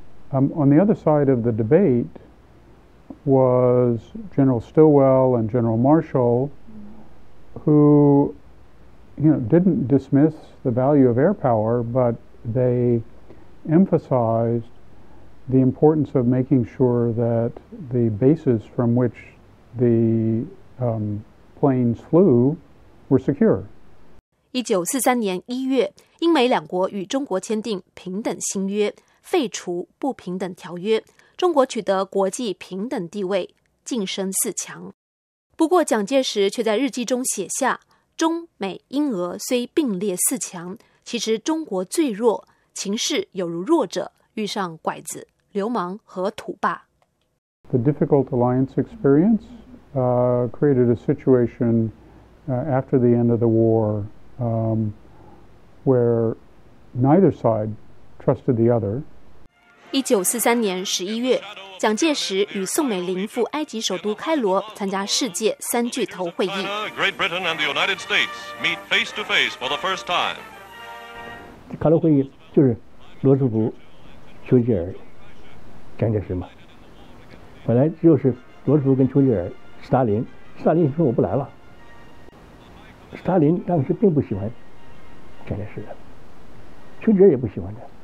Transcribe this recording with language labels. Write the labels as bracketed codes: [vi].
[en] On the other side of the debate was General Stilwell and General Marshall, who, you know, didn't dismiss the value of air power, but they emphasized the importance of making sure that the bases from which the planes flew were secure. [zh] 1943年1月，英美两国与中国签订《平等新约》，废除不平等条约，中国取得国际平等地位，晋升四强。不过，蒋介石却在日记中写下：“中美英俄虽并列四强，其实中国最弱，情势有如弱者遇上拐子、流氓和土霸。” [en] The difficult alliance experience created a situation after the end of the war. Where neither side trusted the other. [zh] 1943年11月，蒋介石与宋美龄赴埃及首都开罗参加世界三巨头会议。 [en] Great Britain and the United States meet face to face for the first time. [zh] 开罗会议就是罗斯福、丘吉尔、蒋介石嘛。本来就是罗斯福跟丘吉尔、斯大林说我不来了。斯大林当时并不喜欢蒋介石的，丘吉尔也不喜欢他。